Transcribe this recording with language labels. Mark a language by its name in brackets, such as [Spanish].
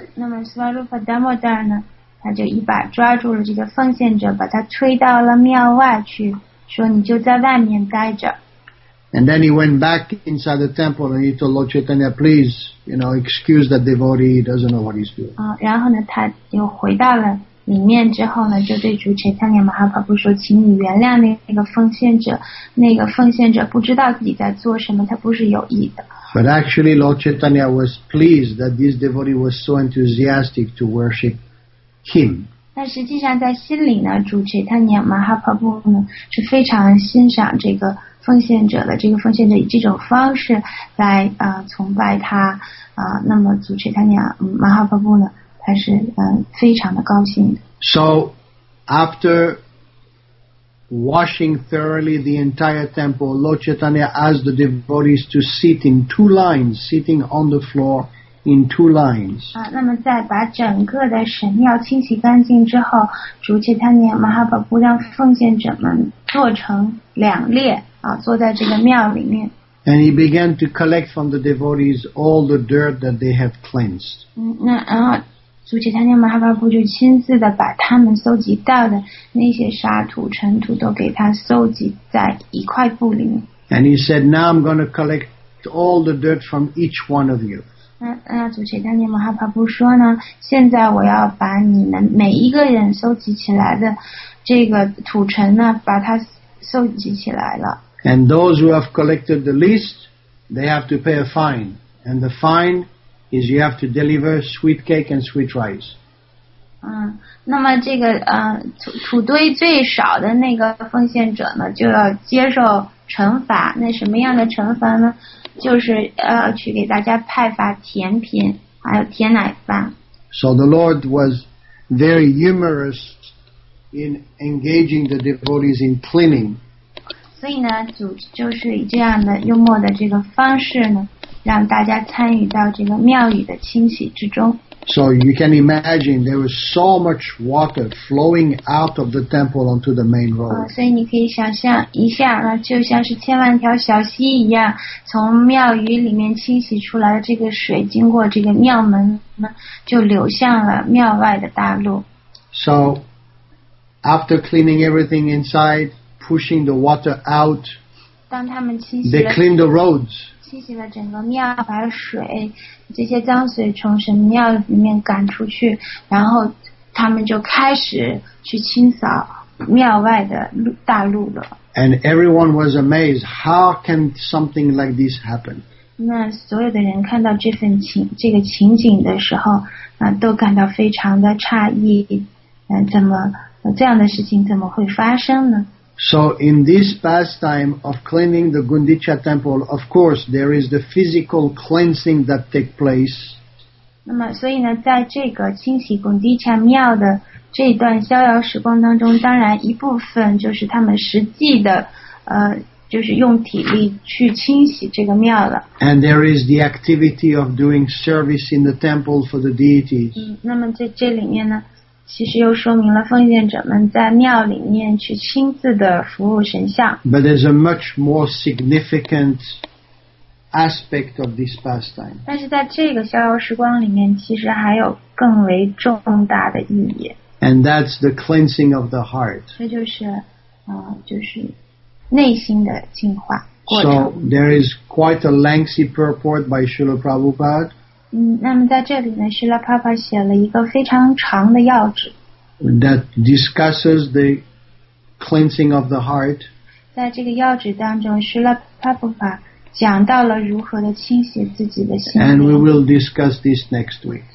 [Chinese] 那么 Srila Damodar 呢他就一把抓住了这个奉献者，把他推到了庙外去，说你就在外面待着。 [English] And then he went back inside the temple and he told Lord Chaitanya, please, you know, excuse that devotee, he doesn't know what he's doing. [Chinese] 然后呢他又回到了里面之后呢，就对主持人马哈帕布说，请你原谅那个奉献者，那个奉献者不知道自己在做什么，他不是有意的。 [English] But actually Lord Chaitanya was pleased that this devotee was so enthusiastic to worship him. [Chinese] 但实际上在心里呢，主持人马哈帕布呢是非常欣赏这个奉献者的，这个奉献者以这种方式来崇拜他那么主持人马哈帕布呢还是非常的高兴的。 [English] So, after washing thoroughly the entire temple, Lord Chaitanya asked the devotees to sit in two lines, sitting on the floor in two lines. [Chinese] 那么在把整个的神庙清洗干净之后，主持人马哈巴布让奉献者们坐成两列坐在这个庙里面。 [English] And he began to collect from the devotees all the dirt that they have cleansed. [Chinese] 主持人马哈巴布就亲自的把他们搜集到的那些沙土尘土都给他搜集在一块布里面。 [English] And he said, now I'm going to collect all the dirt from each one of you. [Chinese] 主持人马哈巴布说呢，现在我要把你们每一个人搜集起来的这个土尘呢把它搜集起来了。 [English] And those who have collected the least, they have to pay a fine. And the fine is you have to deliver sweet cake and sweet rice. [Chinese] 那么这个土堆最少的那个奉献者呢，就要接受惩罚。那什么样的惩罚呢？就是去给大家派发甜品，还有甜奶饭。 [English] So the Lord was very humorous in engaging the devotees in cleaning. [Chinese] 所以呢，主就是以这样的幽默的这个方式呢，让大家参与到这个庙宇的清洗之中。 [English] So you can imagine there was so much water flowing out of the temple onto the main road. [Chinese] 所以你可以想象一下，那就像是千万条小溪一样，从庙宇里面清洗出来的这个水，经过这个庙门呢，就流向了庙外的大路。 [English] So after cleaning everything inside, pushing the water out, [Chinese] 当他们清洗了 [English] they clean the roads. [Chinese] 清洗了整个庙，把水这些脏水从神庙里面赶出去，然后他们就开始去清扫庙外的大路了。 [English] And everyone was amazed. How can something like this happen? [Chinese] 那所有的人看到这个情景的时候，都感到非常的诧异。怎么这样的事情怎么会发生呢？ [English] So in this pastime of cleaning the Gundicha temple, of course, there is the physical cleansing that takes place. [Chinese] 那么所以呢，在这个清洗 Gundicha 庙的这段逍遥时光当中，当然一部分就是他们实际的，就是用体力去清洗这个庙了。 [English] And there is the activity of doing service in the temple for the deities. [Chinese] 那么在这里面呢？其实又说明了奉献者们在庙里面去亲自的服务神像。 [English] But there's a much more significant aspect of this pastime. [Chinese] 但是在这个逍遥时光里面，其实还有更为重大的意义。 [English] And that's the cleansing of the heart. [Chinese] 这就是，就是内心的净化过程。 [English] So there is quite a lengthy purport by Srila Prabhupada. [Chinese] 那么在这里呢，希拉帕帕写了一个非常长的要旨。 [English] That discusses the cleansing of the heart. [Chinese] 在这个要旨当中，希拉帕帕讲到了如何的清洗自己的心灵。 [English] And we will discuss this next week.